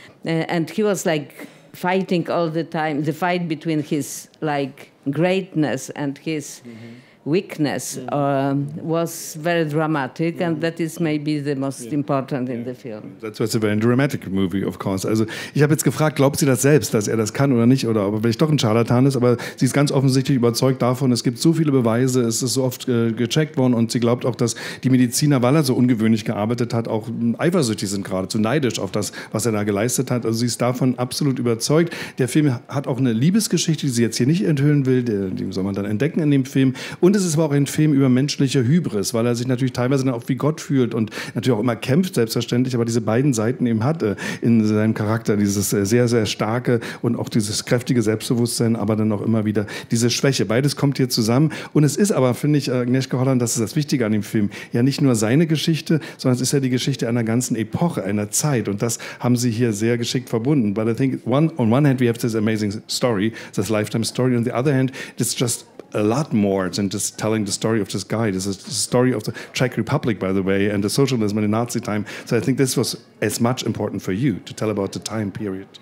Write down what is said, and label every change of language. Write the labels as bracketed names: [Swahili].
[English] And he was like fighting all the time, the fight between his like greatness and his weakness was very dramatic, and that is maybe the most important in the film. That's why it's a very dramatic movie, of course. [German] Also, ich habe jetzt gefragt, glaubt sie das selbst, dass er das kann oder nicht, oder ob er vielleicht doch ein Charlatan ist, aber sie ist ganz offensichtlich überzeugt davon, es gibt so viele Beweise, es ist so oft gecheckt worden, und sie glaubt auch, dass die Mediziner, weil er so ungewöhnlich gearbeitet hat, auch eifersüchtig sind, geradezu neidisch auf das, was er da geleistet hat. Also, sie ist davon absolut überzeugt. Der Film hat auch eine Liebesgeschichte, die sie jetzt hier nicht enthüllen will, die soll man dann entdecken in dem Film. Und es ist aber auch ein Film über menschliche Hybris, weil er sich natürlich teilweise dann auch wie Gott fühlt und natürlich auch immer kämpft, selbstverständlich, aber diese beiden Seiten eben hat in seinem Charakter, dieses sehr, sehr starke und auch dieses kräftige Selbstbewusstsein, aber dann auch immer wieder diese Schwäche. Beides kommt hier zusammen, und es ist aber, finde ich, Agnieszka Holland, das ist das Wichtige an dem Film, ja nicht nur seine Geschichte, sondern es ist ja die Geschichte einer ganzen Epoche, einer Zeit, und das haben sie hier sehr geschickt verbunden. [English] But I think on one hand we have this amazing story, this lifetime story, on the other hand it's just a lot more than just telling the story of this guy. This is the story of the Czech Republic, by the way, and the socialism in the Nazi time. So I think this was as much important for you to tell about the time period.